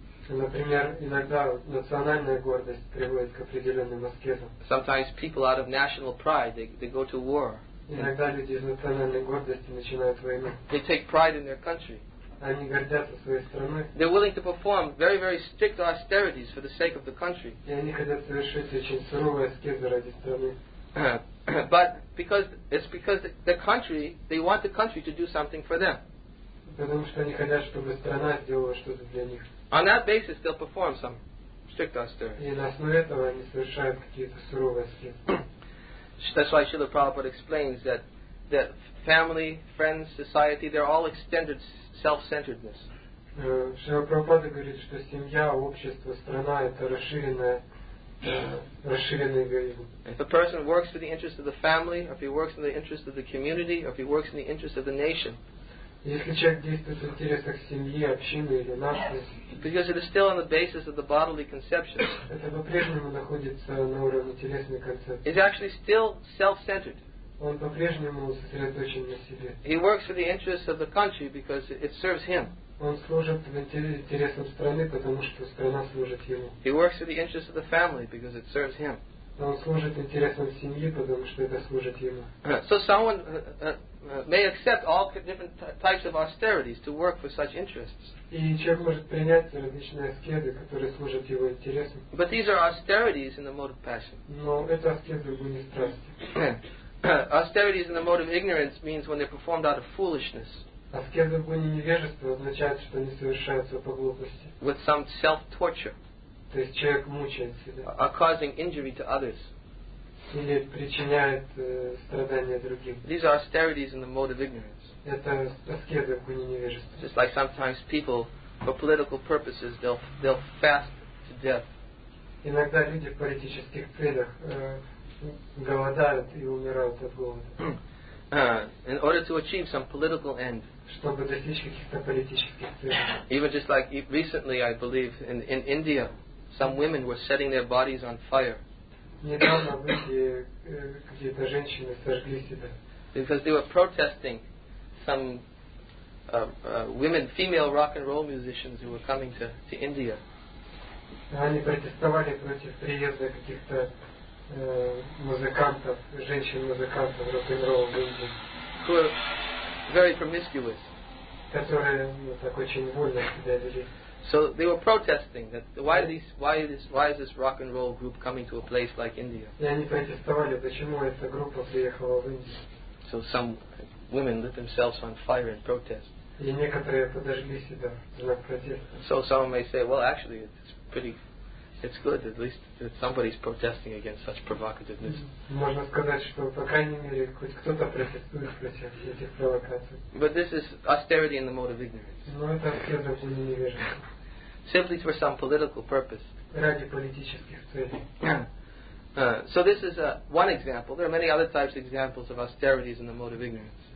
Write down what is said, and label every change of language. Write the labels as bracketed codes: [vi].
[ru] Например, иногда национальная гордость приводит к определенным аскезам. [en] Sometimes people out of national pride, they go to war. [ru] Иногда люди из национальной гордости начинают войну. [en] They take pride in their country. [ru] Они гордятся своей страной. [en] They're willing to perform very, very strict austerities for the sake of the country. [ru] И они хотят совершить очень суровые аскезы ради страны. [en] But because it's because the country, they want the country to do something for them. [ru] Потому что они хотят, чтобы страна сделала что-то для них. [en] On that basis, they'll perform some strict austerity. [ru] И на основе этого они совершают какие-то суровые аскезы. [en] That's why Srila Prabhupada explains that family, friends, society, they're all extended self-centeredness. [ru] Srila Prabhupada говорит, что семья, общество, страна — это расширенный эгоизм. [en] If a person works for the interest of the family, or if he works in the interest of the community, or if he works in the interest of the nation, [ru] если человек действует в интересах семьи, общины или нации, [en] because it is still on the basis of the bodily conception, [ru] это по-прежнему находится на уровне телесной концепции, [en] it's actually still self-centered, [ru] он по-прежнему сосредоточен на себе, [en] he works for the interests of the country because it serves him, [ru] он служит в интересах страны, потому что страна служит ему, [en] he works for the interests of the family because it serves him, [ru] он служит интересам семьи, потому что это служит ему. [en] So someone may accept all different types of austerities to work for such interests. [ru] И человек может принять различные аскезы, которые служат его интересам. [en] But these are austerities in the mode of passion. [ru] Но это аскезы в уме страсти. [en] Austerities in the mode of ignorance means when they're performed out of foolishness. [ru] Аскезы в уме невежества означает, что они совершаются по глупости. [en] With some self-torture. [ru] То есть человек мучает себя. [en] Are causing injury to others. [ru] Или причиняет страдания другим. [en] These are austerities in the mode of ignorance. [ru] Это аскезы в уме невежества. [en] Just like sometimes people, for political purposes, they'll fast to death. [ru] Иногда люди в политических целях голодают и умирают от голода. [en] In order to achieve some political end. [ru] Чтобы достичь каких-то политических целей. [en] Even just like recently, I believe, in India, some women were setting their bodies on fire. [ru] Недавно в Индии какие-то женщины сожгли себя. [en] Because they were protesting some women, female rock and roll musicians who were coming to India. [ru] Они протестовали против приезда каких-то музыкантов, женщин-музыкантов рок-н-ролла в Индию. [en] Who were very promiscuous. [ru] Которые так очень вольно себя вели. [en] So they were protesting that why is this rock and roll group coming to a place like India? [ru] Yeah, они протестовали, почему эта группа приехала в Индию. [en] So some women lit themselves on fire in protest. [ru] И некоторые подожгли себя в знак протеста. [en] So some may say, well, actually, it's good at least that somebody's protesting against such provocativeness. [ru] Можно сказать, что по крайней мере хоть кто-то протестует против этих провокаций. [en] But this is austerity in the mode of ignorance. [ru] Но это аскеза в уме невежества. [en] Simply for some political purpose. [ru] Ради политических целей. [en] So this is one example. There are many other types of examples of austerities in the mode of ignorance.